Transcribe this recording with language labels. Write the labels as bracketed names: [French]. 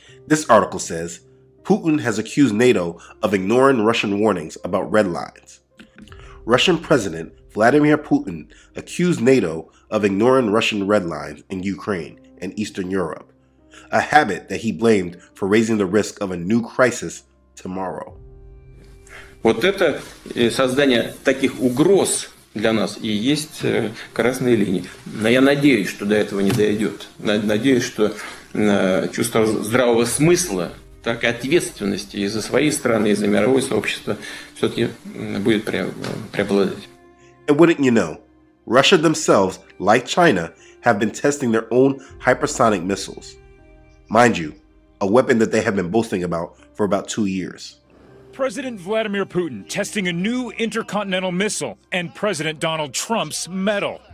[English] This article says Putin has accused NATO of ignoring Russian warnings about red lines. Russian President Vladimir Putin accused NATO of ignoring Russian red lines in Ukraine and Eastern Europe, a habit that he blamed for raising the risk of a new crisis tomorrow. [Russian] Вот это создание таких угроз для нас и есть красные линии. Но я надеюсь, что до этого не дойдет. Надеюсь, что чувство здравого смысла, так и ответственности и за свои страны, и за мировое сообщество все-таки будет преобладать. [English] And wouldn't you know, Russia themselves, like China, have been testing their own hypersonic missiles. Mind you, a weapon that they have been boasting about for about 2 years. President Vladimir Putin testing a new intercontinental missile and President Donald Trump's medal.